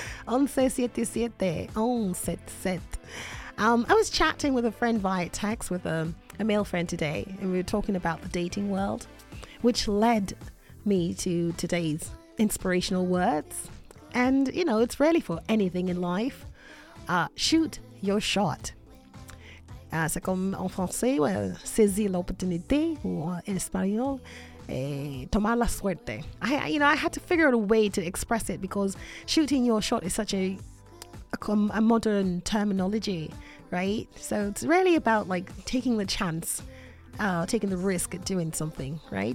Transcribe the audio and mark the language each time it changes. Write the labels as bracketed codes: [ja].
[en] I was chatting with a friend via text with a male friend today, and we were talking about the dating world, which led me to today's inspirational words. And you know, it's really for anything in life. Shoot your shot. [fr] C'est comme en français, ouais, saisir l'opportunité, ou en espagnol, et [es] tomar la suerte. [en] I had to figure out a way to express it because shooting your shot is such a modern terminology, right? So it's really about like taking the chance, taking the risk at doing something, right?